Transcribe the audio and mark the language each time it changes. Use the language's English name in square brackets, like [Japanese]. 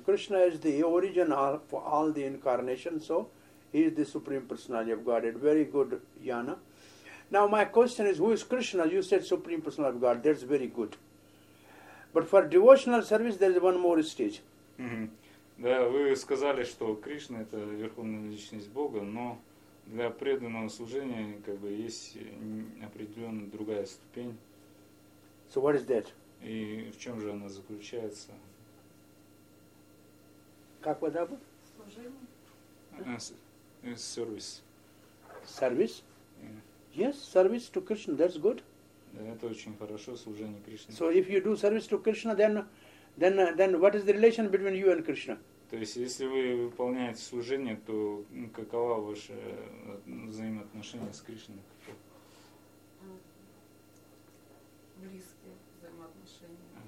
[English] Кришна is the origin for all the incarnations, so he is the Supreme Personality of Godhead. Very good, Яна. Now my question is, who is Krishna? You said Supreme Personality of God. That's very good. But for devotional service, there is one more stage. [Russian] Да, вы сказали, что Кришна это верховная личность Бога, но для преданного служения как бы есть определенная другая ступень. [English] So what is that? [Russian] И в чем же она заключается? Как вы зовут? Служение. [English] Service. Service. Yes, service to Krishna, that's good. [Russian] Это очень хорошо, служение Кришне. [English] So if you do service to Krishna, then what is the relation between you and Krishna? [Russian] То есть, если вы выполняете служение, то каково ваше взаимоотношение с Кришной? Близкие взаимоотношения.